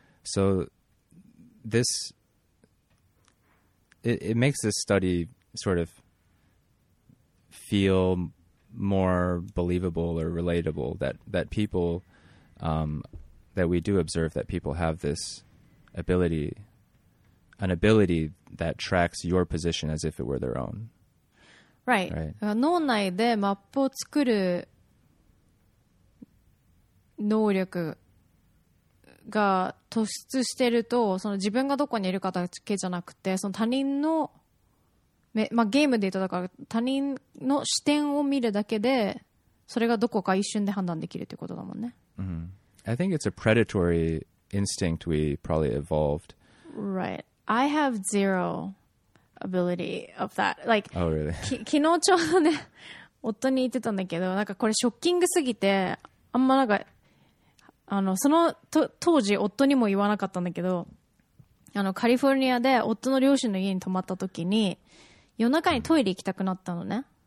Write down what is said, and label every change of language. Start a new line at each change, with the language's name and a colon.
English: So this, it makes this study sort of feel more believable or relatable that people, that we do observe that people have this ability, an ability that tracks your position as if it were their own. Right. Right.
Japanese: 脳内でマップを作る能力が突出してると、その自分がどこにいるかだけじゃなくて、その他人のまあ、ゲームで言うとだから他人の視点を見るだけでそれがどこか一瞬で判断できるということだもんね、 mm-hmm.
English: I think it's a predatory instinct we probably evolved. Right. I have zero ability of that. Like, oh, really?
Japanese: 昨日ちょうどね夫に言ってたんだけど、なんかこれショッキングすぎてあんまなんかあのその当時夫にも言わなかったんだけど、あのカリフォルニアで夫の両親の家に泊まった時に夜中にトイレ行きたくなったのね、